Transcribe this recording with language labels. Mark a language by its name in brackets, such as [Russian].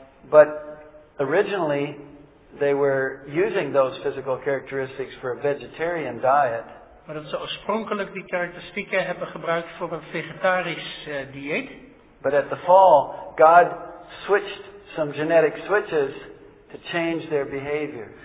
[English] But originally they were using those physical characteristics for a vegetarian diet. [Dutch] Maar dat ze oorspronkelijk die karakteristieken hebben gebruikt voor een vegetarisch dieet. [English] But at the fall, God switched some genetic switches to change their behavior.